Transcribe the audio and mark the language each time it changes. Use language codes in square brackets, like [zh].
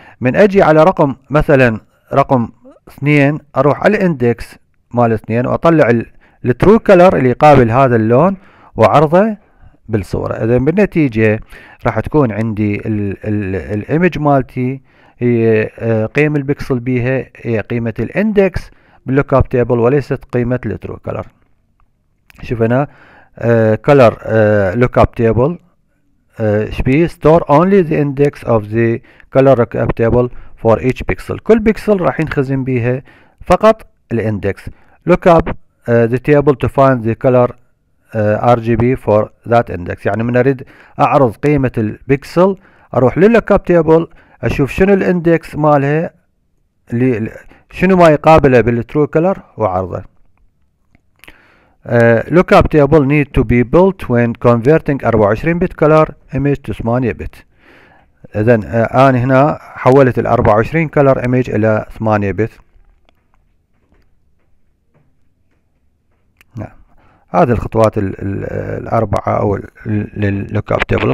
[ar] من أجي على رقم، مثلا رقم 2، أروح على الإندكس مال 2 وأطلع الترو كلر اللي يقابل هذا اللون وعرضه بالصورة. إذا بالنتيجة راح تكون عندي الإيمج مالتي هي قيم البكسل بيها هي قيمة الإندكس باللوك أب تيبل وليست قيمة الترو كلر. شوف هنا كلر لوك أب تيبل [en] store only the index of the color lookup table for each pixel. [ar] كل بيكسل راح ينخزن بيها فقط الاندكس. [en] look up the table to find the color RGB for that index. [ar] يعني من اريد اعرض قيمة البيكسل اروح لللوكاب تيبل اشوف شنو الاندكس مالها، شنو ما يقابله بالترو كلر وعرضه. [en] Lookup table need to be built when converting 24 bit color image to 8 bit. [ar] إذن أنا هنا حولت الـ 24 color image إلى 8 bit. هذه الخطوات الأربعة أو للـLookup table.